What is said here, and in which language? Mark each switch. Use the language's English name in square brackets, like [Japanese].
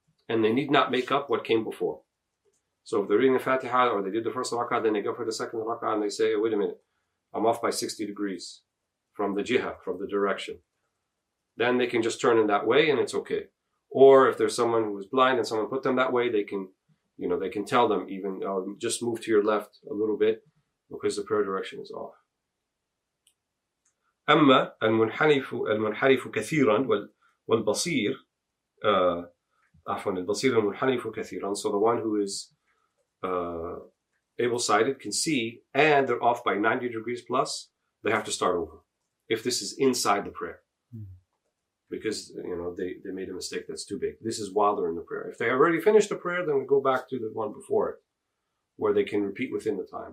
[English] And they need not make up what came before. So if they're reading the Fatiha, or they did the first rak'ah, then they go for the second rak'ah, and they say, wait a minute, I'm off by 60 degrees from the jiha, from the direction. Then they can just turn in that way, and it's okay. Or if there's someone who is blind and someone put them that way, they can, you know, they can tell them, even just move to your left a little bit because the prayer direction is off. [Arabic] أما المنحرف كثيرا والبصير عفوا البصير المنحرف كثيرا. [English] So the one who is able-sighted can see, and they're off by 90 degrees plus, they have to start over if this is inside the prayer. Because, you know, they made a mistake that's too big. This is while they're in the prayer. If they already finished the prayer, then we go back to the one before it, where they can repeat within the time.